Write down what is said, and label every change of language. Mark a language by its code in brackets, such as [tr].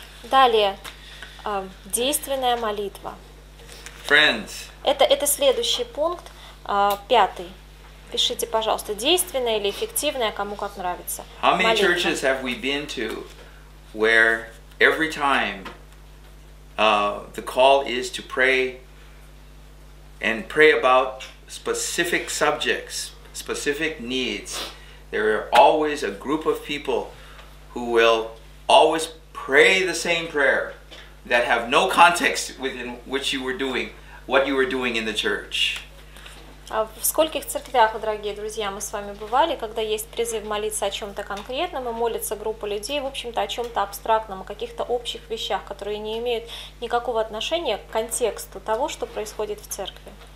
[ru] Далее, действенная молитва. [en] Friends. [ru] Это следующий пункт, пятый. Пишите, пожалуйста, действенная или эффективная, кому как нравится. [en] How many churches have we been to where every time the call is to pray and pray about specific subjects, specific needs, there are always a group of people who will always pray the same prayer that have no context within which you were doing, what you were doing in the church. [ru] В скольких церквях, дорогие друзья, мы с вами бывали, когда есть призыв молиться о чем-то конкретном, и молится группа людей, в общем-то, о чем-то абстрактном, о каких-то общих вещах, которые не имеют никакого отношения к контексту того, что происходит в церкви.